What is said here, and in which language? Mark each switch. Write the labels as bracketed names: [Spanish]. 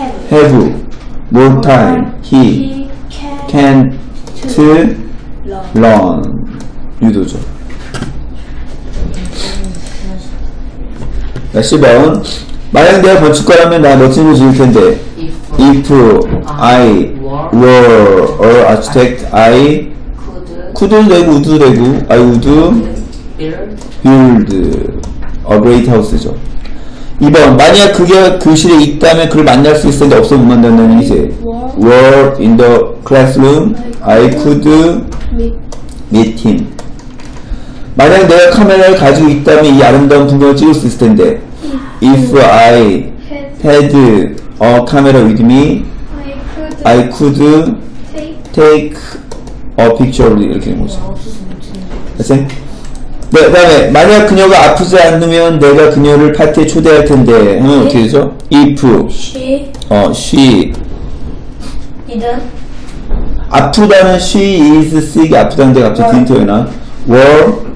[English] Have more time. He can to learn. 유도죠. [Korean] 자, 10번. 만약 내가 건축가라면 나 멋진 걸 지을 텐데. [English] If I were an architect, I could 되고, would 되고, I would build a great house죠. [Korean] 2번. 만약 그게 교실에 있다면 그를 만날 수 있을 텐데 없어 못 만난다는 얘기지. [English] Were in the classroom, I could meet him. [Korean] 만약 내가 카메라를 가지고 있다면 이 아름다운 풍경을 찍을 수 있을 텐데. [English] If I had a camera with me, I could take a picture. [Korean] 이렇게 된 거죠. 알았지? 네, 그 다음에 만약 그녀가 아프지 않으면 내가 그녀를 파티에 초대할 텐데 하면 어떻게 되죠? [English] If she didn't [Korean] 아프다는 [English] she is sick [Korean] 아프다는데 갑자기 didn't 오나? Were